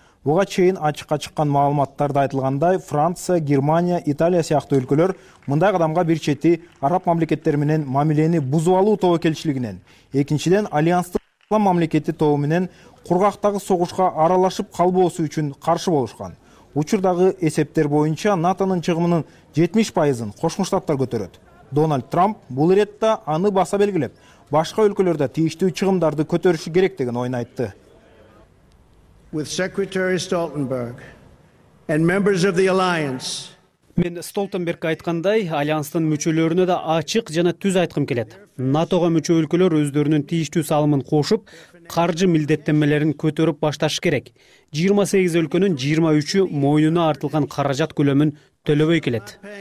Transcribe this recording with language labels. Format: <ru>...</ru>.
<ky>Буга чейин ачыкка чыккан маалыматтарда айтылгандай, Франция, Германия, Италия сыяктуу өлкөлөр мындай кадамга бир чети араб мамлекеттери менен мамилени бузуп алуу тобокелчилигинен, экинчиден альянстын ислам мамлекети тобу менен кургактагы согушка аралашып калбоосу үчүн каршы болушкан. Учурдагы эсептер боюнча НАТОнун чыгымынын 70% кошмо штаттар көтөрөт. Дональд Трамп бул иретте аны баса белгилеп, башка өлкөлөрдө тийиштүү чыгымдарды көтөрүшү керек деген ойун айтты.</ky> <en>With Secretary Stoltenberg and members of the alliance.</en> <ky>Мен Столтенбергге айткандай, альянстын мүчөлөрүнө да ачык жана түз айткым келет. НАТОго мүчө өлкөлөр өздөрүнүн тийиштүү салымын кошуп, каржы милдеттенмелерин көтөрүп башташ керек. 28 өлкөнүн 23 мойнуна артылган каражат көлөмүн төлөбөй келет.</ky>